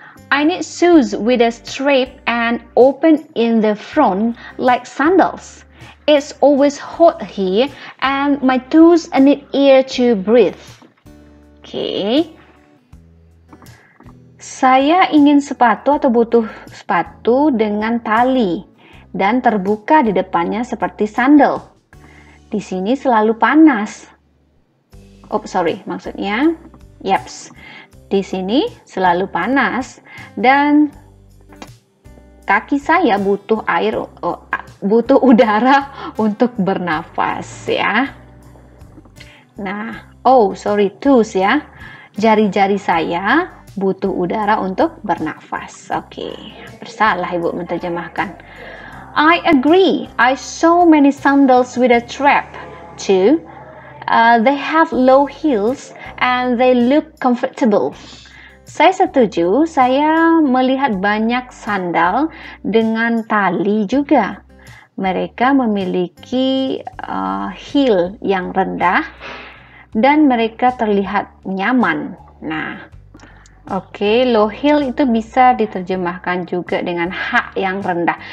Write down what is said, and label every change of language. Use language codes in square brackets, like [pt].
[en] I need shoes with a strap and open in the front like sandals. It's always hot here, and my toes need air to breathe. Okay. [id] Saya ingin sepatu atau butuh sepatu dengan tali dan terbuka di depannya seperti sandal. Di sini selalu panas. Oh, sorry, maksudnya, yeps. Di sini selalu panas dan kaki saya butuh air. Oh, butuh udara untuk bernafas ya. Nah, oh sorry, toes ya. Jari-jari saya butuh udara untuk bernafas. Oke, okay. Bersalah ibu menerjemahkan. [en] I agree. I saw many sandals with a strap too. They have low heels and they look comfortable. [id] Saya setuju. Saya melihat banyak sandal dengan tali juga. Mereka memiliki heel yang rendah dan mereka terlihat nyaman. Nah, oke, okay, low heel itu bisa diterjemahkan juga dengan hak yang rendah.